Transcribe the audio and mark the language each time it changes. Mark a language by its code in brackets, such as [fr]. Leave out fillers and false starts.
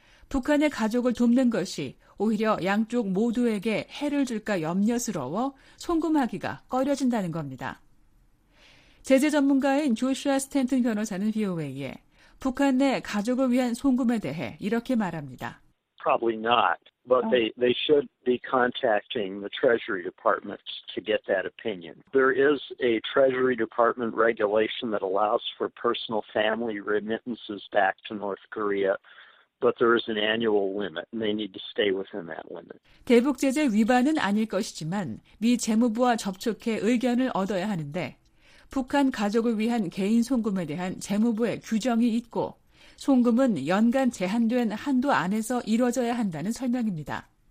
[ko] 북한의 가족을 돕는 것이 오히려 양쪽 모두에게 해를 줄까 염려스러워 송금하기가 꺼려진다는 겁니다. 제재 전문가인 조슈아 스탠튼 변호사는 VOA에 북한 내 가족을 위한 송금에 대해 이렇게 말합니다. [en] Probably not, but they should be contacting the Treasury Department to get that opinion. There is a Treasury Department regulation that allows for personal family remittances back to North Korea, but there is an annual limit, and they need to stay within that limit. [ko] 대북 제재 위반은 아닐 것이지만 미 재무부와 접촉해 의견을 얻어야 하는데 북한 가족을 위한 개인 송금에 대한 재무부의 규정이 있고 송금은 연간 제한된 한도 안에서 이루어져야 한다는 설명입니다.